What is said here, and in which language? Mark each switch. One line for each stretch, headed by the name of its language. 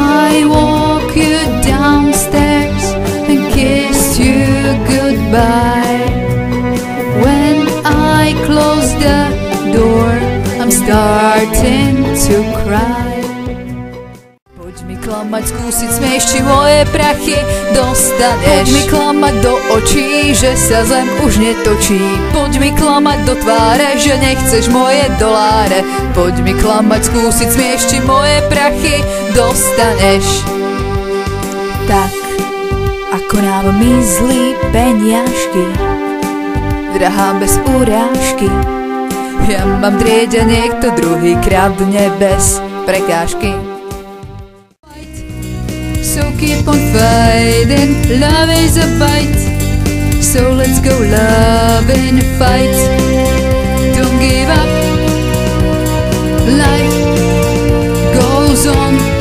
English: I walk you downstairs and kiss you goodbye. When I close the door, I'm starting to cry.
Slovak: Poď mi klamať, skúsiť smiešti moje prachy, dostaneš. Poď mi klamať do očí, že sa zem už netočí. Poď mi klamať do tváre, že nechceš moje doláre. Poď mi klamať, skúsiť smiešti moje prachy, dostaneš. Tak, ako nám mizli peniažky, drahá bez urážky, ja mám drieť a niekto druhý kradne bez prekážky.
English: So keep on fighting, love is a fight. So let's go love and fight. Don't give up, life goes on.